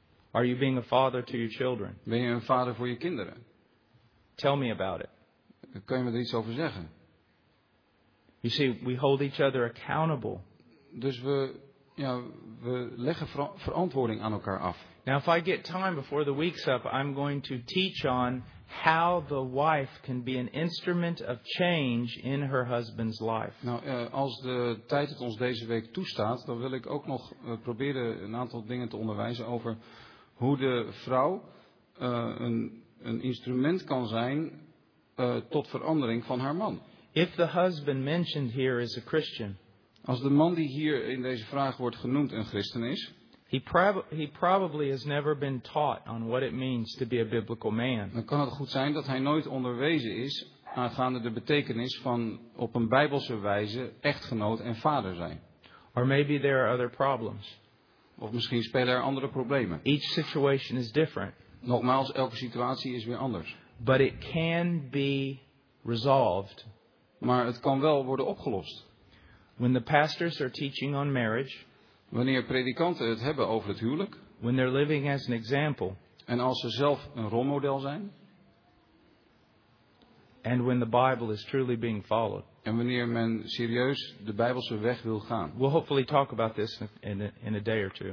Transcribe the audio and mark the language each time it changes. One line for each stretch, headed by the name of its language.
English: Are you being a father to your children?
Dutch: Ben je een vader voor je kinderen?
English: Tell me about it.
Dutch: Kun je me er iets over zeggen?
English: You see, we hold each other accountable.
Dutch: Dus we leggen verantwoording aan elkaar af.
English: Now if I get time before the week's up, I'm going to teach on how the wife can be an instrument of change in her husband's life.
Dutch: Nou, als de tijd het ons deze week toestaat, dan wil ik ook nog proberen een aantal dingen te onderwijzen over hoe de vrouw een instrument kan zijn tot verandering van haar man.
English: If the husband mentioned here is a Christian.
Dutch: Als de man die hier in deze vraag wordt genoemd een christen is.
English: He probably has never been taught on what it means to be a biblical man.
Dutch: Dan kan het goed zijn dat hij nooit onderwezen is aangaande de betekenis van op een Bijbelse wijze echtgenoot en vader zijn.
English: Or maybe there are other problems.
Dutch: Of misschien spelen er andere problemen.
English: Each situation is different.
Dutch: Nogmaals, elke situatie is weer anders.
English: But it can be resolved.
Dutch: Maar het kan wel worden opgelost.
English: When the pastors are teaching on marriage.
Dutch: Wanneer predikanten het hebben over het huwelijk.
English: When they're living as an example.
Dutch: En als ze zelf een rolmodel zijn.
English: And when the Bible is truly being followed.
Dutch: En wanneer men serieus de Bijbelse weg wil gaan.
English: We'll hopefully talk about this in a day or two.